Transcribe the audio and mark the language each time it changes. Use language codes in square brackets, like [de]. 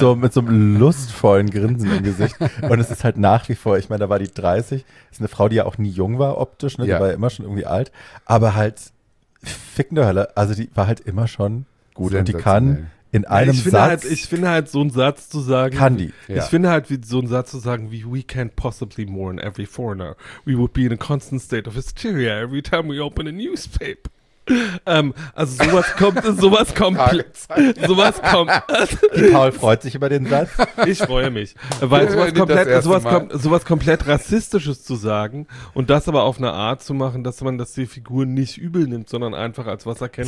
[de] Mit so einem lustvollen Grinsen im Gesicht. Und es ist halt nach wie vor, ich meine, da war die 30, ist eine Frau, die ja auch nie jung war optisch, ne? Die ja. War ja immer schon irgendwie alt. Aber halt, fickende Hölle, also die war halt immer schon gut und die kann in einem ich Satz. Halt, ich finde halt so einen Satz zu sagen. Kann die. Ja. Ich finde halt so einen Satz zu sagen wie [en] we can't possibly mourn every foreigner. We would be in a constant state of hysteria every time we open a newspaper. [de] Also sowas kommt, sowas kommt. Sowas kommt. Die Paul freut sich über den Satz. Ich freue mich. Weil sowas komplett Rassistisches zu sagen und das aber auf eine Art zu machen, dass man das die Figur nicht übel nimmt, sondern einfach als was erkennt.